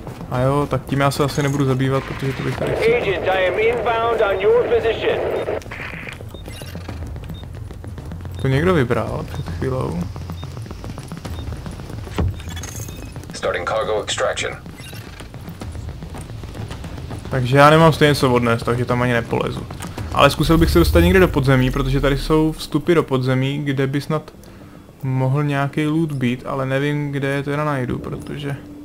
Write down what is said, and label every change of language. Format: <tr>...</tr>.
<cs>A jo, tak tím já se asi nebudu zabývat, protože to bych tady chtěl.</cs> <en>Agent, I am inbound on your position.</en> <cs>To někdo vybral před chvílou.</cs> <en>Starting cargo extraction.</en> <cs>Takže já nemám stejně co odnes, takže tam ani nepolezu. Ale zkusil bych se dostat někde do podzemí, protože tady jsou vstupy do podzemí, kde by snad mohl nějaký loot být, ale nevím, kde je teda najdu, protože...</cs>